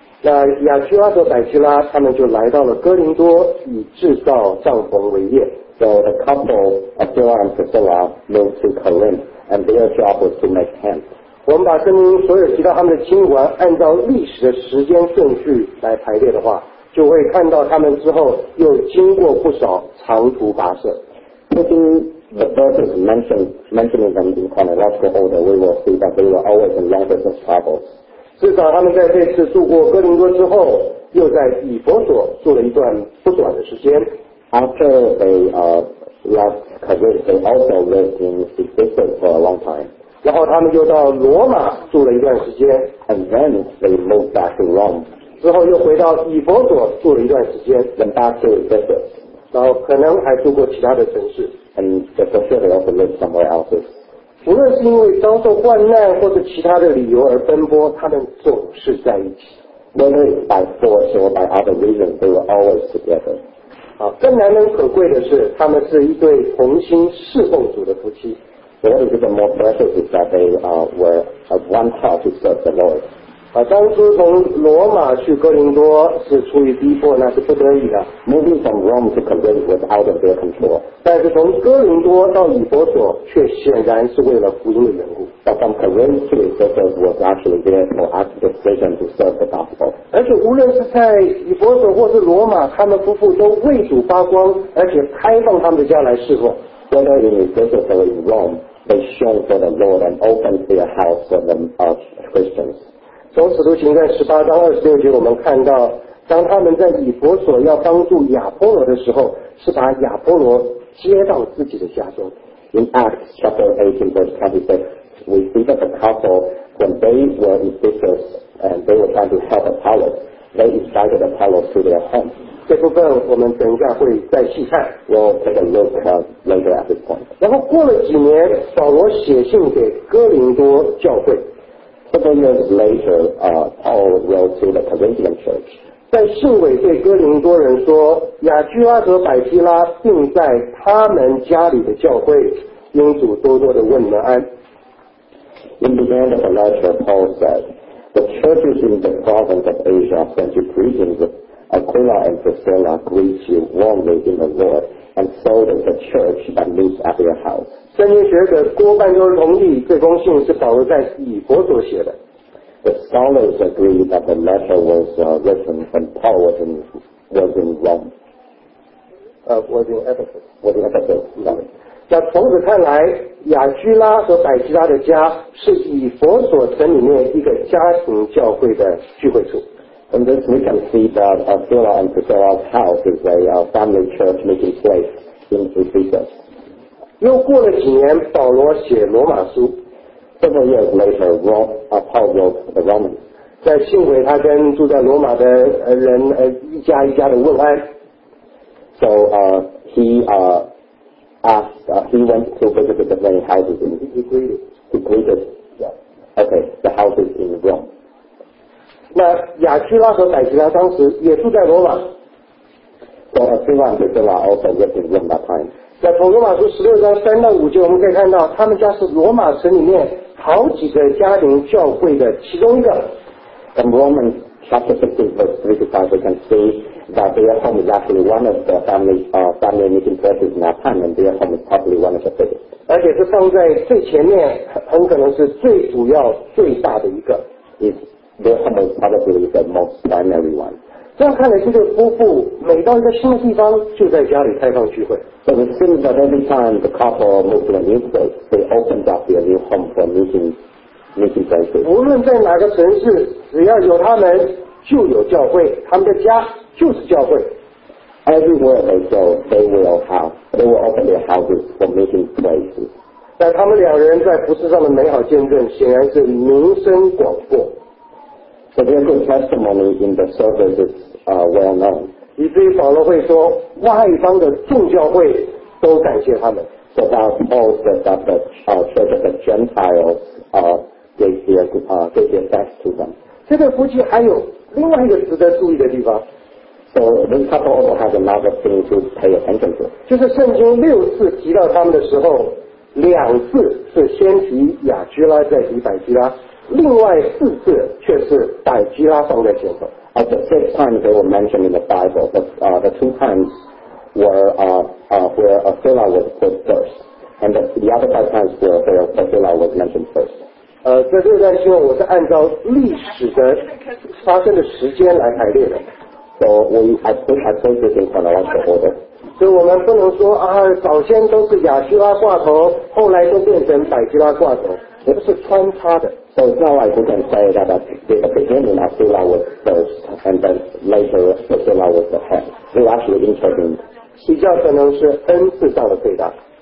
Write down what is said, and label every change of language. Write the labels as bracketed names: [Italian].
[Chinese] 那亚居拉和百基拉他们就来到了哥林多以制造帐篷为业 [English] So the couple, Aquila and Priscilla, moved to Corinth, and their job was to make tents. [Chinese] 我们把圣经所有提到他们的亲缘按照历史的时间顺序来排列的话，就会看到他们之后又经过不少长途跋涉。 [English] Putting the verses mentioning them in chronological order, we will see that they were always in long distance travels. [Chinese] 至少他们在这次渡过哥林多之后，又在以弗所住了一段不短的时间。 [English] After they left Corinth, they also lived in Ephesus for a long time. [Chinese] 然后他们又到罗马住了一段时间 [English] ，and then they moved back to Rome. [Chinese] 之后又回到以弗所住了一段时间 [English] ，then back to Ephesus. [Chinese] 然后可能还住过其他的城市 [English] ，and they probably also lived somewhere else. [Chinese] 无论是因为遭受患难或者其他的理由而奔波，他们总是在一起。 [English] Whether it's by force or by other reasons, they were always together. [Chinese] 好，更难能可贵的是，他们是一对同心侍奉主的夫妻。 [English] What is even more precious is that they were of one heart to serve the Lord. [Chinese] 当初从罗马去哥林多是出于逼迫，那是不得已的。 [English] Moving from Rome to Corinth was out of their control. [Chinese] 但是从哥林多到以弗所却显然是为了福音的缘故。 [English] But from Corinth to Ephesus was actually there for active decision to serve the gospel. [Chinese] 而且无论是在以弗所或是罗马，他们夫妇都为主发光，而且开放他们的家来侍奉。 [English] Whether in Ephesus or in Rome, they shone for the Lord and opened their house for them of Christians. [Chinese] 从使徒行传十八章二十六节，我们看到，当他们在以弗所要帮助亚波罗的时候，是把亚波罗接到自己的家中。 [English] In Acts chapter 18 verse 26, we see that the couple, when they were in Ephesus and they were trying to help Apollos, they invited Apollos to their home. [Chinese] 这部分我们等一下会再细看。 [English] We'll take a look later at this point. [Chinese] 然后过了几年，保罗写信给哥林多教会。 [English] Several years later, Paul wrote to the Corinthian church. [Chinese] 在信尾对哥林多人说，亚居拉和百基拉并在他们家里的教会，因主多多的问们安。 [English] In the end of the letter, Paul said, "The churches in the province of Asia sent you greetings." Aquila and Priscilla greet you warmly in the Lord, and so does the church that meets at your house. [Chinese] 圣经学者多半都同意这封信是保罗在以弗所写的。 [English] The scholars agree that the letter was written when Paul was in Rome. Was in Ephesus. [Chinese] 那从此看来，亚居拉和百基拉的家是以弗所城里面一个家庭教会的聚会处。 [English] In this, we can see that Aquila and Priscilla's house is a family church meeting place in Ephesus. [Chinese] 又过了几年，保罗写罗马书。 [English] Several years later, Paul wrote the Romans. [Chinese] 在信尾，他跟住在罗马的人一家一家的问安。 [English] So he went to visit the many houses in Ephesus. He greeted. Yeah. Okay, the houses in Rome. [Chinese] 那亚居拉和百基拉当时也住在罗马。 [English] So Aquila and Priscilla also lived in Rome that time. [Chinese] 在从罗马书十六章三到五节，我们可以看到他们家是罗马城里面好几个家庭教会的其中一个。 [English] In Romans chapter 15 verse 3 to 5, we can see that their home is actually one of the family meeting places in that time, and their home is probably one of the biggest. [Chinese] 而且是放在最前面，很可能是最主要、最大的一个。 [English] Their home is probably the most primary one. [Chinese] 这样看来，这对夫妇每到一个新的地方，就在家里开放聚会。 [English] So it seems that every time the couple moved to a new place, they opened up their new home for meeting places. [Chinese] 无论在哪个城市，只要有他们，就有教会。他们的家就是教会。 [English] Everywhere they go, they will open their houses for meeting places. [Chinese] 但他们两人在服事上的美好见证，显然是名声广播。 [English] So their good testimony in the service is well known. [Chinese] 以至于保罗会说，外邦的众教会都感谢他们。 [English] So that Paul said that the church of the Gentiles gave their thanks to them. [Chinese] 这对夫妻还有另外一个值得注意的地方。 [English] So this couple also has another thing to pay attention to. [Chinese] 就是圣经六次提到他们的时候，两次是先提亚居拉，再提百基拉。另外四次却是百基拉放在前头。 [English] At the six times they were mentioned in the Bible, the two times where Aquila was put first, and the other five times where Aquila was mentioned first. [Chinese] 这六段经文我是按照历史的发生的时间来排列的。 [English] So I put this in chronological order. [Chinese] 所以我们不能说早先都是亚希拉挂头，后来都变成百希拉挂头。 [English] It was [Chinese] 穿插的。 [English] So it's not like we can say that at the beginning Aquila was first, and then later Aquila was the head. It actually intervened. [Chinese] 比较可能是恩赐上的最大。